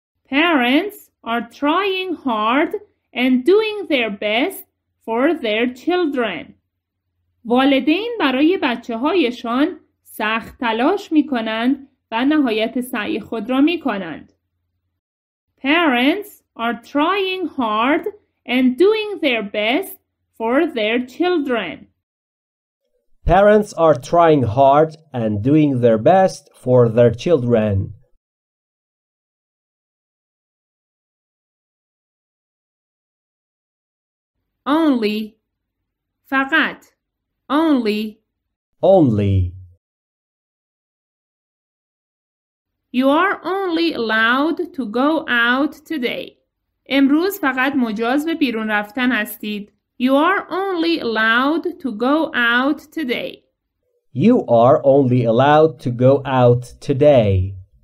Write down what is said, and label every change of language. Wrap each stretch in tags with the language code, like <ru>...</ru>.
<en>Parents are trying hard and doing their best for their children.</en> <fa>والدین برای بچه‌هایشان سخت تلاش می‌کنند و نهایت سعی خود را می‌کنند.</fa> <en>Parents are trying hard and doing their best for their children. Parents are trying hard and doing their best for their children. Only.</en> <fa>فقط.</fa> <en>Only. Only. You are only allowed to go out today.</en> <fa>امروز فقط مجاز به بیرون رفتن هستید.</fa> <en>You are only allowed to go out today. You are only allowed to go out today.</en>